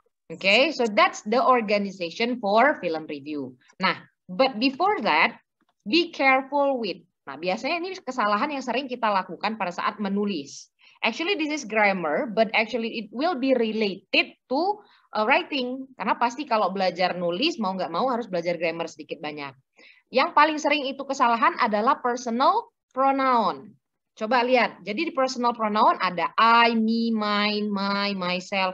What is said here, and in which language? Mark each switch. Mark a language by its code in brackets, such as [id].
[en] Okay, so that's the organization for film review. Nah, but before that, be careful with. [id] Nah, biasanya ini kesalahan yang sering kita lakukan pada saat menulis. [en] Actually, this is grammar, but actually it will be related to writing. [id] Karena pasti kalau belajar nulis mau nggak mau harus belajar grammar sedikit banyak. Yang paling sering itu kesalahan adalah personal pronoun. Coba lihat. Jadi di personal pronoun ada I, me, mine, my, myself.